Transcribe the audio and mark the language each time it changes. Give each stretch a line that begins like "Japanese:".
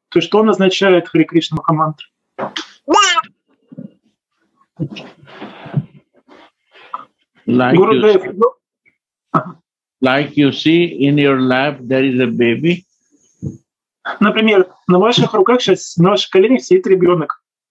Russian: То есть, что означает Хари Кришна Махамантра?
English: Like you see in your lap, there is a baby.
Russian: Например, на ваших руках сейчас, на ваших коленях сидит ребенок.